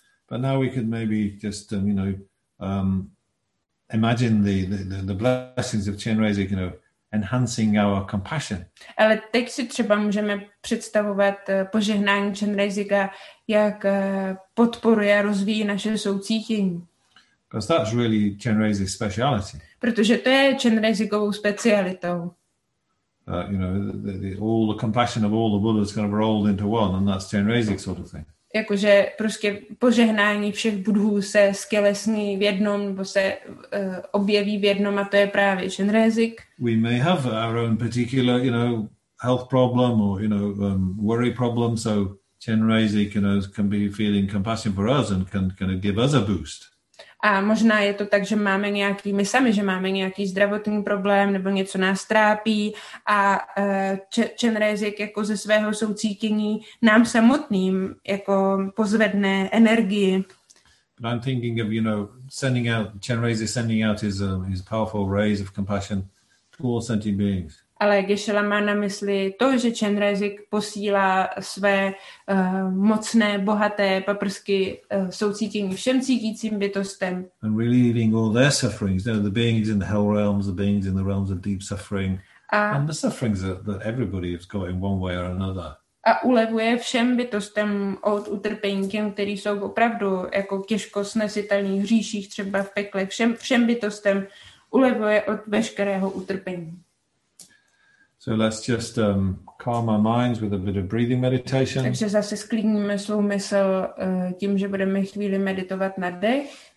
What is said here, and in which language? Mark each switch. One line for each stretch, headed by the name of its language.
English: But now we could maybe just you know imagine the blessings of chain raising, you know, enhancing our compassion.
Czech: Ale teď si třeba můžeme představovat požehnání chain raising, jak podporuje a rozvíjí naše soucítění.
English: Because that's really Chan Raising's speciality.
Czech: Protože to je Chan Raising-ovou specialitou.
English: You know, all the compassion of all the Buddhas kind of rolled into one, and that's Chan Raising sort of thing.
Czech: Jakože prostě požehnání všech Buddhů se skelesní v jednom, nebo se objeví v jednom, a to je právě Chan Raising.
English: We may have our own particular, you know, health problem or, you know, worry problem, so Chan Raising, you know, can be feeling compassion for us and can kind of give us a boost.
Czech: A možná je to tak, že máme nějaký, my sami, že máme nějaký zdravotní problém nebo něco nás trápí a Chan Raising jako ze svého soucítění nám samotným jako pozvedne energii.
English: But I'm thinking of, you know, sending out, Chan Raising sending out his powerful rays of compassion to all sentient beings.
Czech: Ale Geshe-la má na mysli to, že Chan Raising posílá své mocné, bohaté paprsky soucítění všem cítícím bytostem.
English: And relieving all their sufferings, you know, the beings in the hell realms, the beings in the realms of deep suffering, and the sufferings that everybody has got in one way or another.
Czech: A ulevuje všem bytostem od utrpení, těm, který jsou opravdu jako těžko snesitelný v hříších, třeba v pekle, všem bytostem ulevuje od veškerého utrpení.
English: So let's just calm our minds with a bit of breathing meditation.
Czech: Takže zase sklidníme svou mysl tím, že budeme chvíli meditovat na dech.